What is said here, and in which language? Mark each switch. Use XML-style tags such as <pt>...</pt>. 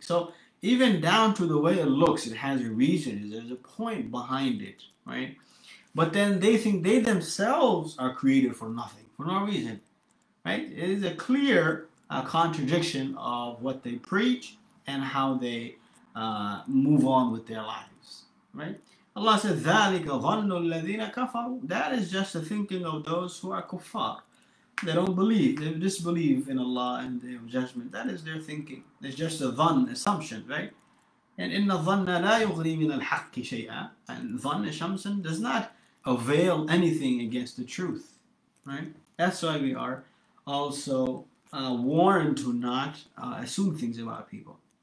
<en>So even down to the way it looks, it has a reason, there's a point behind it, right? But then they think they themselves are created for nothing, for no reason, right? It is a clear contradiction of what they preach and how they move on with their lives, right? Allah says,</en> <ar>ذَلِكَ ظَنُّ الَّذِينَ كَفَرُوا.</ar> <en>That is just the thinking of those who are kuffar. They don't believe, they disbelieve in Allah and the judgment. That is their thinking. It's just a dhan, assumption, right?</en> <ar>And إِنَّ الظَّنَّ لَا يُغْرِي مِنَ الْحَقِّ شَيْئًا.</ar> <en>And dhan, assumption, does not avail anything against the truth, right? That's why we are also warned to not assume things about people.</en>